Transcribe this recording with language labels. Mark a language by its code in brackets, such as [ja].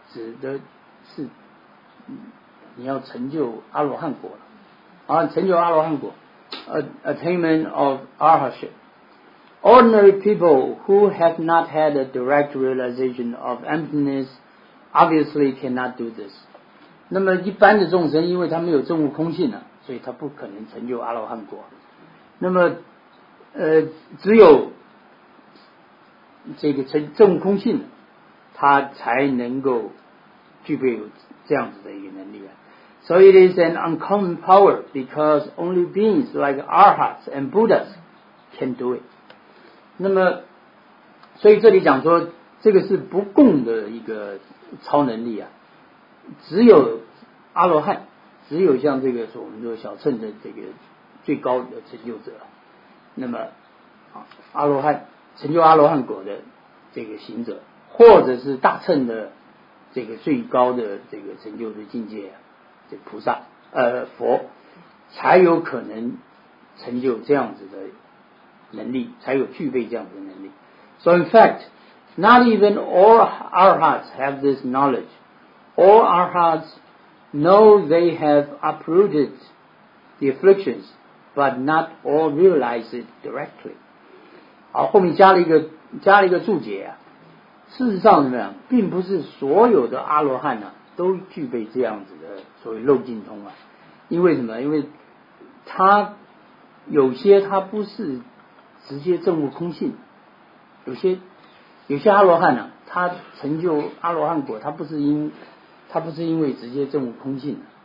[zh] 指的是你要成就阿罗汉果了啊，成就阿罗汉果 [en] attainment of arhatship。 Ordinary people who have not had a direct realization of emptiness obviously cannot do this。 [zh] 那么一般的众生，因为他没有证悟空性了，所以他不可能成就阿罗汉果。那么只有这个证悟空性他才能够具备有这样子的一个能力啊。 [en] So it is an uncommon power because only beings like arhats and buddhas can do it。 [zh] 那么所以这里讲说这个是不共的一个超能力啊，只有阿罗汉，只有像这个说我们说小乘的这个最高的成就者，那么、啊、阿罗汉成就阿罗汉果的这个行者，或者是大乘的这个最高的这个成就的境界，这菩萨佛才有可能成就这样子的能力，才有具备这样子的能力。 [en] So in fact not even all arhats have this knowledge. All arhats know they have uprooted the afflictions, but not all realize it directly. [zh] 好，后面加了一个注解啊。事实上怎么样，并不是所有的阿罗汉呢、啊、都具备这样子的所谓漏尽通啊。因为什么？因为他有些他不是直接证悟空性，有些阿罗汉呢、啊，他成就阿罗汉果，他不是因为直接证悟空性。